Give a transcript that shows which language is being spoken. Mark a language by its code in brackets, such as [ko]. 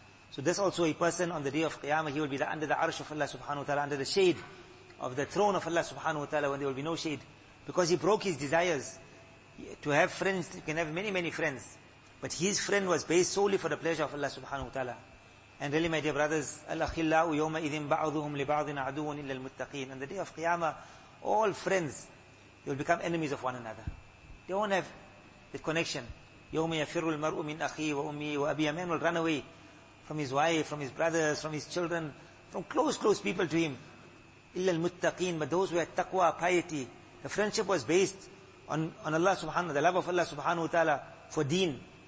[en] So this also a person on the day of Qiyamah, he will be under the arsh of Allah subhanahu wa ta'ala, under the shade of the throne of Allah subhanahu wa ta'ala, when there will be no shade. Because he broke his desires to have friends, he can have many, many friends. But his friend was based solely for the pleasure of Allah subhanahu wa ta'ala. And really, my dear brothers, [ar] أَلَخِلَّهُ يَوْمَ إِذٍ بَعْضُهُمْ لِبَعْضٍ عَدُوٌ إِلَّا الْمُتَّقِينَ. [en] On the day of Qiyamah, all friends, they will become enemies of one another. They won't have the connection. [ar] يَوْمَ يَفِرُّ الْمَرْءُ مِنْ أَخِيهِ وَأُمِّهِ وَأَبِيهِ. [en] Men will run away from his wife, from his brothers, from his children, from close people to him. [ar] إِلَّا الْمُتَّقِينَ [en] But those who had taqwa, piety. The friendship was based on Allah subhanahu wa ta'ala, the love of Allah subhanahu wa ta'ala for deen.